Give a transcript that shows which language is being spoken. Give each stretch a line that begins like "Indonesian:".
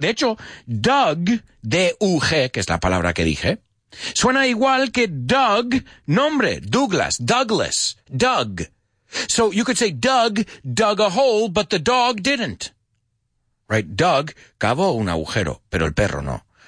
Spanish: De hecho, dug, D-U-G, que es la palabra que dije, suena igual que dug, nombre, Douglas, Douglas, dug.
English: So you could say dug dug a hole, but the dog didn't. Right?
Spanish: Dug cavó un agujero, pero el perro no.